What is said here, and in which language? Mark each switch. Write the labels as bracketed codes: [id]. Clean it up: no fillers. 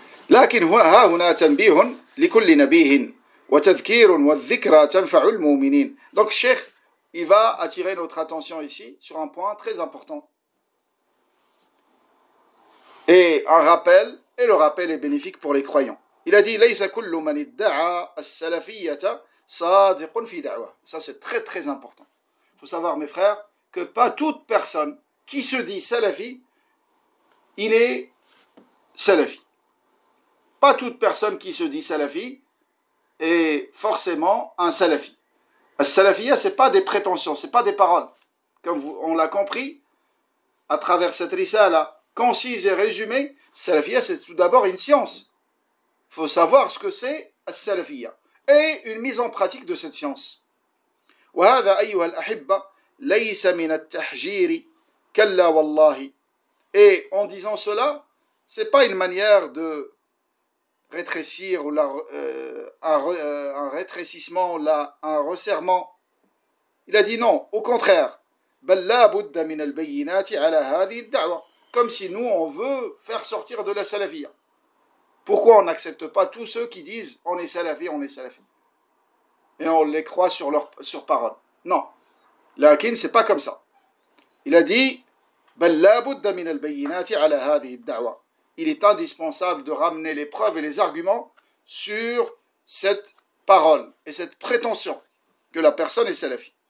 [ar] لكن ها هنا تنبيه لكل نبي وتذكير والذكرى تنفع المؤمنين. [fr] Donc Cheikh, il va attirer notre attention ici sur un point très important. Et un rappel, et le rappel est bénéfique pour les croyants. Il a dit « [ar] Laysa kullu man idda'a as-salafiyyata sadiqun fi da'wa ». [fr] Ça, c'est très très important. Il faut savoir, mes frères, que pas toute personne qui se dit salafi, il est salafi. Pas toute personne qui se dit salafi est forcément un salafi. As-salafiyya, ce n'est pas des prétentions, ce n'est pas des paroles. Comme on l'a compris, à travers cette risala concise et résumée, salafiyya, c'est tout d'abord une science. Il faut savoir ce que c'est as-salafiyya et une mise en pratique de cette science. [ar] وهذا أيها الأحبة ليس من التحجير كلا والله. [fr] Et en disant cela, c'est pas une manière de rétrécir ou un rétrécissement ou un resserrement. Il a dit non, au contraire, [ar] بل لا بد من البينات على هذه الدعوة. [fr] Comme si nous, on veut faire sortir de la salafia. Pourquoi on n'accepte pas tous ceux qui disent « on est salafi, on est salafi » et on les croit sur leur sur parole? Non. Lakin, ce n'est pas comme ça. Il a dit « [ar] بَلْ لَا بُدَّ مِنَ الْبَيِّنَاتِ عَلَى هَذِهِ الدَّعْوَى [fr] » Il est indispensable de ramener les preuves et les arguments sur cette parole et cette prétention que la personne est salafi.